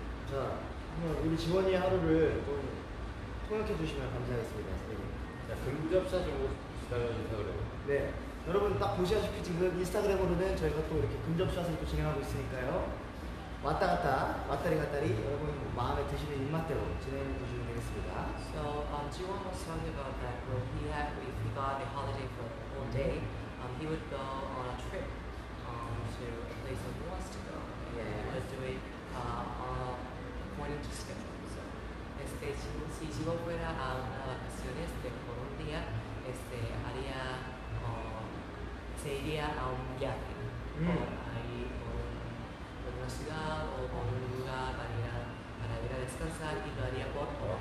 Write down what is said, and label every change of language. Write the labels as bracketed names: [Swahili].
[Korean] 자, 우리 지원이의 하루를 좀 생각해 주시면 감사하겠습니다. 자, 근접샷 정보 부탁을 인스타그램으로. 네, 여러분 딱 보시다시피 지금 인스타그램으로는 저희가 또 이렇게 근접샷을 또 진행하고 있으니까요. 왔다 갔다, 왔다리 갔다리 여러분 마음에 드시는 입맛대로 진행해 주시면 되겠습니다. [English] So, Jiwon was talking about that if he got a holiday for one day, he would go on a trip to a place that he wants to go. Yeah. He would do it according to schedule. [Spanish] Si yo fuera a unas vacaciones de por un día, haría, se iría a un viaje por una ciudad o por un lugar para ir a descansar y lo haría por hora.